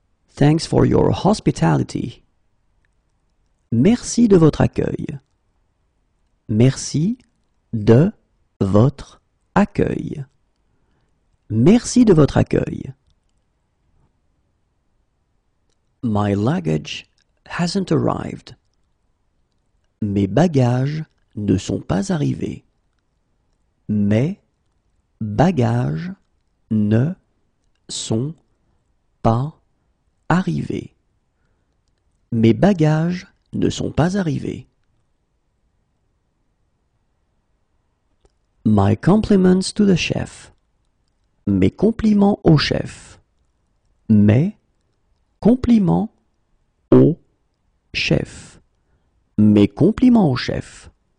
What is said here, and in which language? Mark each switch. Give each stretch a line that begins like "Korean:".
English: Thanks for your hospitality.
French: Merci de votre accueil. Merci de votre accueil. Merci de votre accueil.
English: My luggage hasn't arrived.
French: Mes bagages ne sont pas arrivés. Mes bagages ne sont pas arrivés. Mes bagages ne sont pas arrivés.
English: My compliments to the chef.
French: Mes compliments au chef. Mes compliments au chef. Mes compliments au chef.